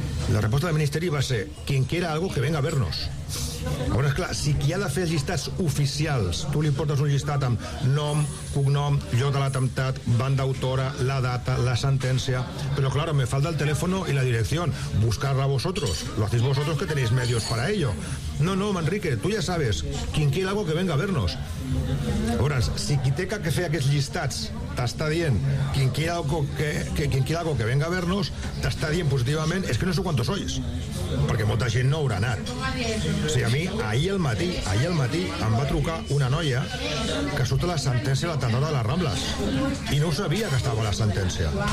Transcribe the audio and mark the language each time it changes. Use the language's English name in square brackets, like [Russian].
[Catalan] La resposta del Ministeri va ser [Spanish] quien quiera algo que venga a vernos. [Catalan] Llavors, clar, si qui ha de fer llistats oficials, tu li portes un llistat amb nom, cognom, lloc de l'atemptat, banda autora, la data, la sentència, però, [Spanish] claro, me falta el teléfono i la dirección. Buscarla vosotros. Lo hacéis vosotros que tenéis medios para ello. No, Manrique, tú ya sabes, quien quiera algo que venga a vernos. [Catalan] Ahora, si qui té que fer aquests llistats t'està dient [Spanish] quien quiera algo que venga a vernos, [Catalan] t'està dient positivament, és que no sé quantos sois, perquè molta gent no haurà anat. O sigui, a mi, ahir al matí em va trucar una noia que surt a la sentència a la tardor de les Rambles, i no ho sabia que estava a la sentència.